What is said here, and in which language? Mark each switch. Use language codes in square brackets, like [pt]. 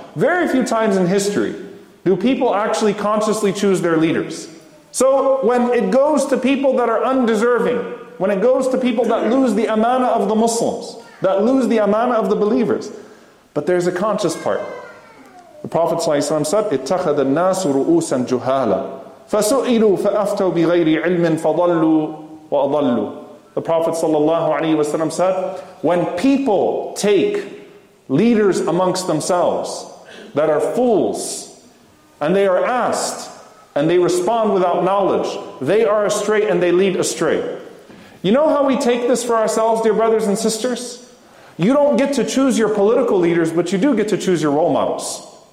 [en] Very few times in history do people actually consciously choose their leaders. So when it goes to people that are undeserving, when it goes to people that lose the amana of the Muslims, that lose the amana of the believers, but there's a conscious part. The Prophet ﷺ said, [ar] اتخذ الناس رؤوسا جهالا فسئلوا فأفتوا بغير علم فضلوا وأضلوا. [en] The Prophet ﷺ said, when people take leaders amongst themselves that are fools, and they are asked, and they respond without knowledge, they are astray and they lead astray. You know how we take this for ourselves, dear brothers and sisters? You don't get to choose your political leaders, but you do get to choose your role models.